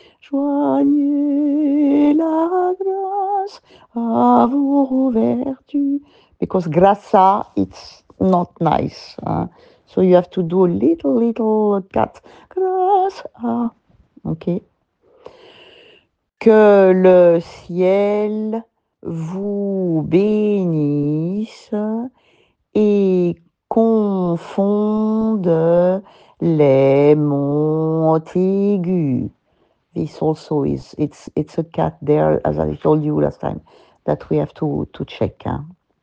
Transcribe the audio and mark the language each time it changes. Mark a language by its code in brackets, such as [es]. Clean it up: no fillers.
[fr] Joignez la grâce à vos vertus. [en] Because grâce, it's not nice. Hein? So you have to do a little cut. [fr] Grâce à. OK. Que le ciel vous bénisse et confonde les monts aigus. [en] This also is, it's a cut there, as I told you last time, that we have to check. Hein?